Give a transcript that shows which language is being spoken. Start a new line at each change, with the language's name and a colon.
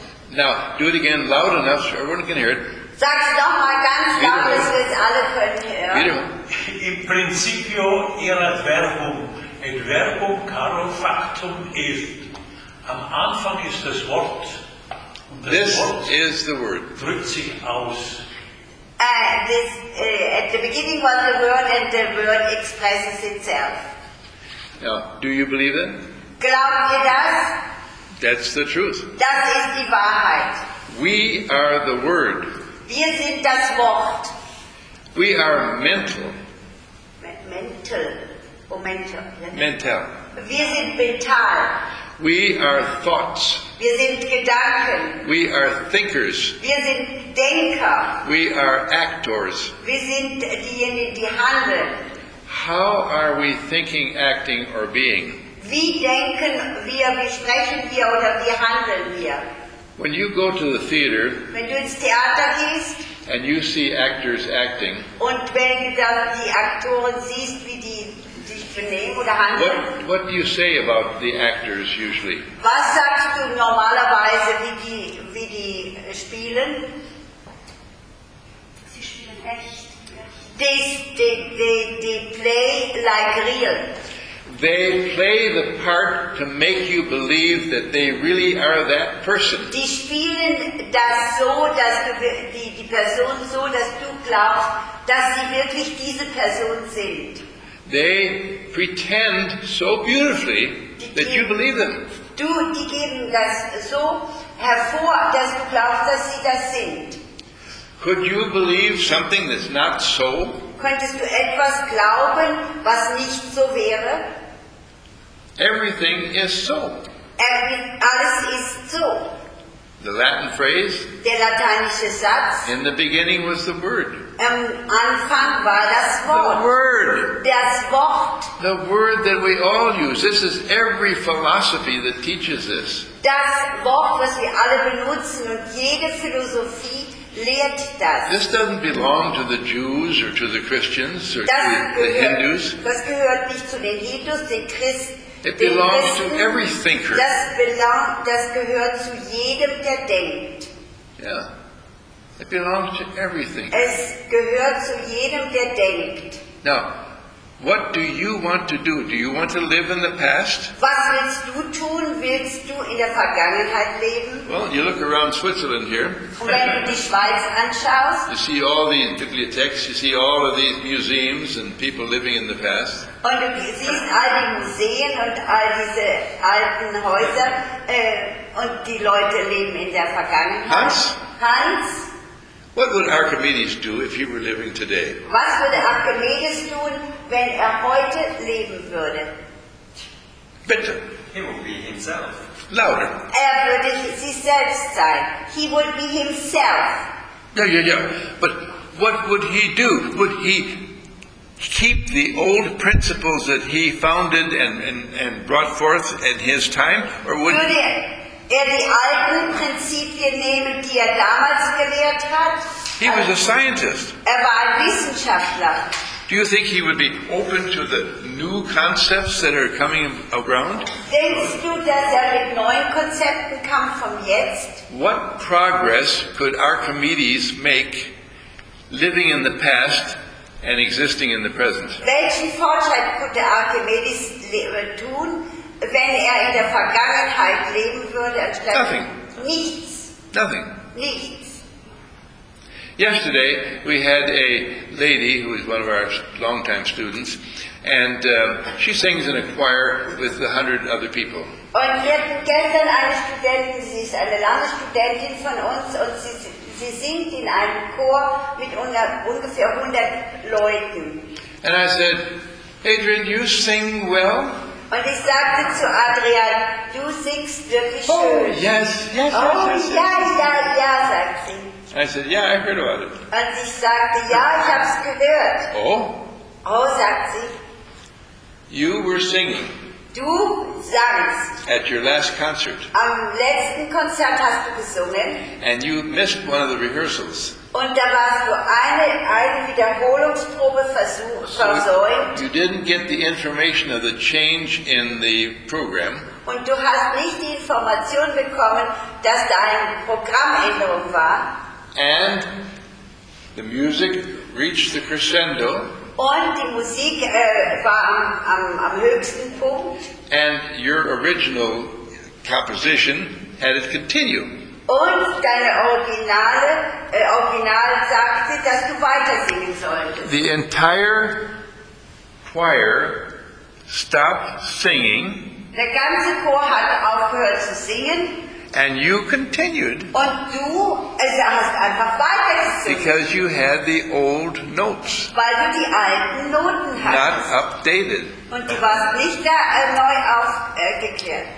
English: Now, do it again loud enough so everyone can hear it.
German: Sag es nochmal ganz laut, dass wir es alle können hören.
Latin: In principio ihr Adverbum. Adverbum caro factum est.
German: Am Anfang ist das Wort.
English: This is the word.
German: Drückt sich aus.
English: At the beginning was the word, and the word expresses itself. Now, do you believe it?
German: Glaubt ihr das?
English: That's the truth.
German: Das ist die Wahrheit.
English: We are the Word.
German: Wir sind das Wort.
English: We are mental. Mental. Oh, mental. Mental.
German: Wir sind mental.
English: We are thoughts.
German: Wir sind Gedanken.
English: We are thinkers.
German: Wir sind Denker.
English: We are actors.
German: Wir sind diejenigen, die handeln.
English: How are we thinking, acting, or being?
German: Wie denken wir, wie sprechen wir, oder wie handeln wir?
English: When you go to the theater,
German: wenn du ins Theater gehst,
English: and you see actors acting,
German: und wenn du die Aktoren siehst, wie die sich benehmen oder handeln,
English: what do you say about the actors usually?
German: Was sagst du normalerweise, wie die spielen? Sie spielen echt.
English: They play like real. They play the part to make you believe that they really are that person.
German: Die spielen das so, dass du die Person so, dass du glaubst, dass sie wirklich diese Person sind.
English: They pretend so beautifully that you believe them.
German: Die geben das so hervor, dass du glaubst, dass sie das sind.
English: Could you believe something that's not so?
German: Könntest du etwas glauben, was nicht so wäre?
English: Everything is so.
German: Alles ist so.
English: The Latin phrase.
German: Der lateinische Satz.
English: In the beginning was the Word.
German: Am Anfang war das Wort.
English: The Word.
German: Das Wort.
English: The Word that we all use. This is every philosophy that teaches this.
German: Das Wort, was wir alle benutzen, und jede Philosophie lehrt das.
English: This doesn't belong to the Jews or to the Christians or to the Hindus.
German: Das gehört nicht zu den Hindus, den Christen.
English: It belongs to every thinker.
German: Das gehört zu jedem, der denkt.
English: Yeah. It belongs to every thinker.
German: Es gehört zu jedem, der denkt.
English: Now, what do you want to do? Do you want to live in the past?
German: Was willst du tun? Willst du in der Vergangenheit leben?
English: Well, you look around Switzerland here.
German: Und wenn du die Schweiz anschaust,
English: you see all the bibliotheques, you see all of these museums and people living in the past.
German: Und du siehst all die Museen und all diese alten Häuser und die Leute leben in der Vergangenheit. Hans?
English: What would Archimedes do if he were living today?
German: Was würde Archimedes tun, wenn heute leben würde? Bitte.
English: He would be himself. Louder.
German: Würde sich selbst sein.
English: He would be himself. Yeah. But what would he do? Would he keep the old principles that he founded and brought forth in his time? Or would he...
German: die alten Prinzipien nehmen, die damals gelehrt hat?
English: He was a scientist.
German: War ein Wissenschaftler.
English: Do you think he would be open to the new concepts that are coming around?
German: Denkst du, dass mit neuen Konzepten kommt von jetzt?
English: What progress could Archimedes make living in the past and existing in the present?
German: Welchen Fortschritt könnte Archimedes tun, wenn in der Vergangenheit leben würde?
English: Nothing.
German: Nichts.
English: Nothing.
German: Nichts.
English: Yesterday, we had a lady who is one of our longtime students, and she sings in a choir with 100 other people.
German: Und wir hatten gestern eine Studentin, sie ist eine lange Studentin von uns, und sie singt in einem Chor mit ungefähr 100 Leuten.
English: And I said, Adrian, you sing well?
German: Und ich sagte zu Adrian, du singst wirklich schön.
English: Oh, yes.
German: Oh, ja, sagt sie.
English: I said, yeah, I heard about it.
German: Und ich sagte, ja, ich hab's gehört.
English: Oh,
German: sagt sie.
English: You were singing.
German: Du sangst.
English: At your last concert.
German: Am letzten Konzert hast du gesungen.
English: And you missed one of the rehearsals.
German: Und da warst du eine Wiederholungsprobe versäumt.
English: You didn't get the information of the change in the program.
German: Und du hast nicht die Information bekommen, dass da eine Programmänderung war.
English: And the music reached the crescendo.
German: Und die Musik war am höchsten Punkt.
English: And your original composition had it continue.
German: Und deine Original sagte, dass du weiter singen solltest.
English: The entire choir stopped singing.
German: Der ganze Chor hat aufgehört zu singen.
English: And you continued.
German: Und du hast einfach weiter gesungen.
English: Because you had the old notes.
German: Weil du die alten Noten hattest.
English: Not updated.
German: Und du warst nicht da neu aufgeklärt.